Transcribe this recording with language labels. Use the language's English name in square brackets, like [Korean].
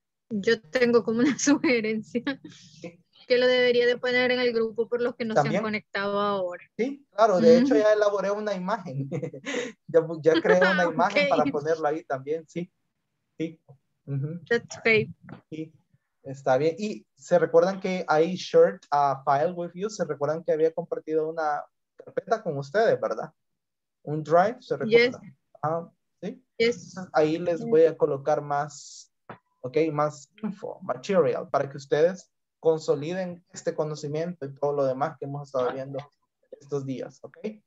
[Spanish] Yo tengo como una sugerencia, ¿sí? Que lo debería de poner en el grupo por los que no ¿también? Se han conectado ahora. Sí, claro, de hecho ya elaboré una imagen, ya creé una imagen okay. Para ponerla ahí también, sí, sí, [English] The tape. [Spanish] Sí, está bien. Y se recuerdan que [English] I shared a file with you. [Spanish] Se recuerdan que había compartido una carpeta con ustedes, ¿verdad? Un drive, se recuerda. [English] Yes. [Spanish] ¿Sí? [English] Yes. [Spanish] Ahí les voy a colocar más, ok, más info, material, para que ustedes consoliden este conocimiento y todo lo demás que hemos estado viendo estos días, ok.